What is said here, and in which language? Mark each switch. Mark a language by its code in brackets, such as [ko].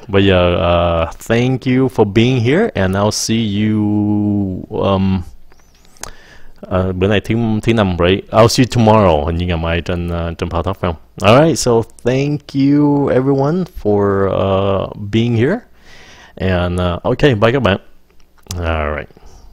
[vi] Bây giờ, [en] thank you for being here, and I'll see you. [vi] Bữa nay thứ năm, right? [en] I'll see you tomorrow, [vi] hình như ngày mai trên trên phòng thóc không? [en] Alright, so thank you everyone for being here, and okay, bye [vi] các bạn. [en] Alright.